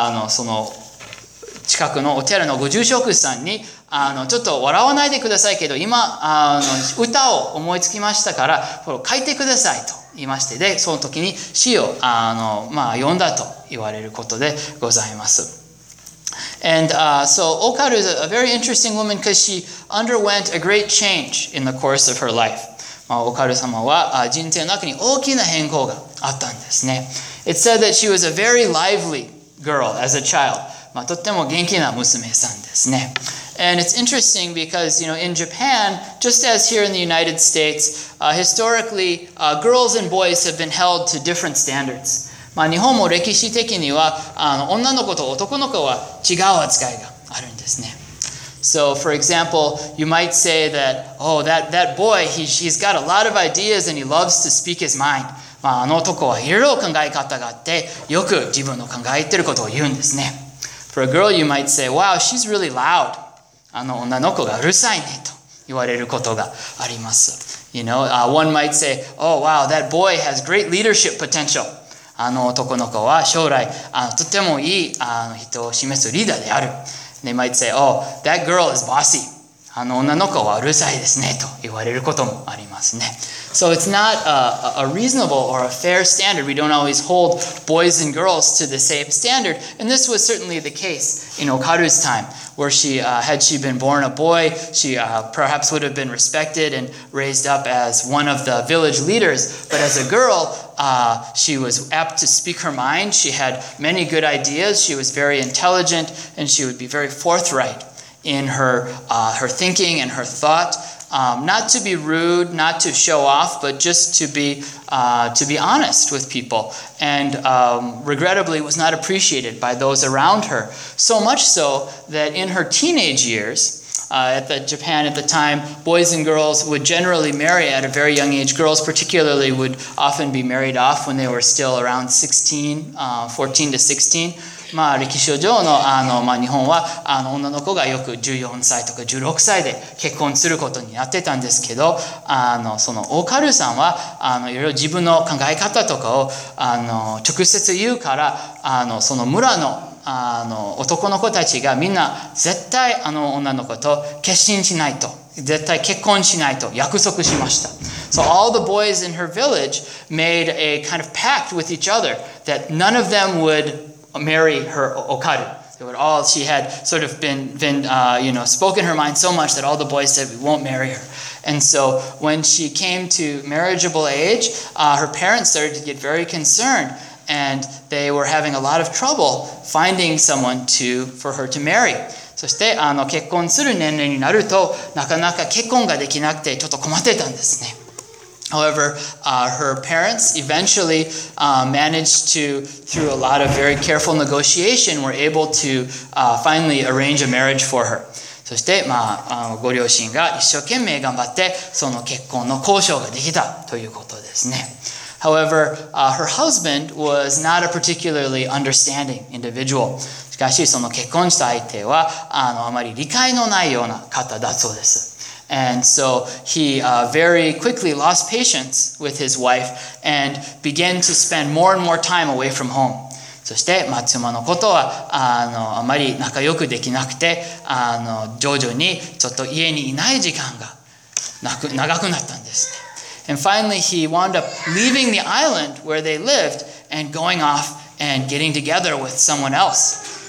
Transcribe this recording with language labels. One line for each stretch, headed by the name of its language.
Japanese: その近くのお寺のご住職さんにちょっと笑わないでくださいけど、今歌を思いつきましたから書いてくださいと言いまして、でその時に詩を読んだと言われることでございます。
English: And so Okaru is a very interesting woman because she underwent a great change in the course of her life.
Japanese: まあ、おかる様は人生の中に大きな変更があったんですね。
English: It said that she was a very lively girl as a child.
Japanese: まあ、とっても元気な娘さんですね。
English: And it's interesting because, you know, in Japan, just as here in the United States, historically, girls and boys have been held to different standards.
Japanese: まあ、日本も歴史的には、女の子と男の子は違う扱いがあるんですね。
English: So, for example, you might say that, oh, that boy, he's got a lot of ideas and he loves to speak his mind.
Japanese: まあ、あの男はいろいろ考え方があって、よく自分の考えてることを言うんですね。
English: For a girl, you might say, wow, she's really loud.
Japanese: あの女の子がうるさいねと言われることがあります。
English: You know, one might say, oh, wow, that boy has great leadership potential.
Japanese: あの男の子は将来、とてもいい人を示すリーダーである。
English: They might say, oh, that girl is bossy.
Japanese: あの女の子はうるさいですねと言われることもありますね。
English: So it's not a reasonable or a fair standard. We don't always hold boys and girls to the same standard. And this was certainly the case in Okaru's time, where she, had she been born a boy, she perhaps would have been respected and raised up as one of the village leaders. But as a girl, she was apt to speak her mind. She had many good ideas. She was very intelligent, and she would be very forthright in her thinking and her thought. Not to be rude, not to show off, but just to be honest with people. And regrettably, was not appreciated by those around her. So much so that in her teenage years, at the time, boys and girls would generally marry at a very young age. Girls particularly would often be married off when they were still around 16, 14 to 16.
Japanese: まあ、歴史上の、まあ、日本は、女の子がよく14歳とか16歳で結婚することになってたんですけど、そのオカルさんは、いろいろ自分の考え方とかを、直接言うから、その村の、男の子たちがみんな絶対女の子と決心しないと、絶対結婚しないと約束しました。
English: So all the boys in her village made a kind of pact with each other that none of them would marry her Okaru. They would all, she had sort of been spoken her mind so much that all the boys said, we won't marry her. And so when she came to marriageable age, her parents started to get very concerned and they were having a lot of trouble finding someone for her to marry.
Japanese: そして結婚する年齢になるとなかなか結婚ができなくてちょっと困ってたんですね。
English: However, her parents eventually managed to, through a lot of very careful negotiation, were able to finally arrange a marriage for her.
Japanese: そして、まあ、ご両親が一生懸命頑張って、その結婚の交渉ができたということですね。
English: However, her husband was not a particularly understanding individual.
Japanese: しかし、その結婚した相手は、あまり理解のないような方だそうです。
English: And so he very quickly lost patience with his wife and began to spend more and more time away from home.
Japanese: そして、まあ、妻のことはあまり仲良くできなくて徐々にちょっと家にいない時間が長くなったんです。
English: And finally he wound up leaving the island where they lived and going off and getting together with someone else.